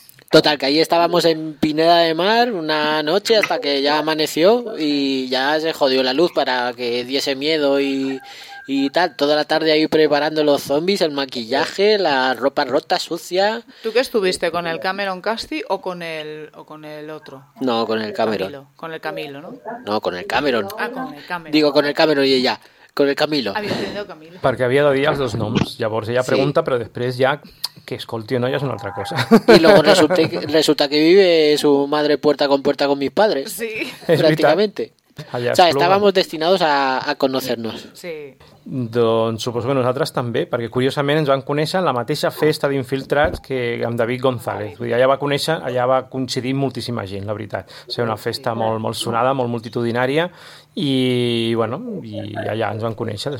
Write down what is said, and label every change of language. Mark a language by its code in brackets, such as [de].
[es] Total, que ahí estábamos en Pineda de Mar una noche hasta que ya amaneció y ya se jodió la luz para que diese miedo y tal. Toda la tarde ahí preparando los zombies, el maquillaje, la ropa rota, sucia. ¿Tú qué estuviste? ¿Con el Cameron Casti o con el otro? No, con el Cameron. Camilo. Con el Camilo, ¿no? No, con el Cameron. Ah, con el Cameron. Digo, con el Cameron y ella. Con el Camilo. [ca] Perquè havia de dir els dos noms. Llavors ella pregunta, sí. Però després ja que escolti o no, ja és una altra cosa. [es] I luego resulta que vive su madre puerta con puerta con mis padres. Sí. Prácticamente. O sea, estábamos destinados a conocernos. Sí. [ca] Doncs suposo que nosaltres també, perquè curiosament ens van conèixer en la mateixa festa d'infiltrats que amb David González. Vull dir, allà va coincidir moltíssima gent, la veritat. O sigui, una festa molt, molt sonada, molt multitudinària i allà ens van conèixer.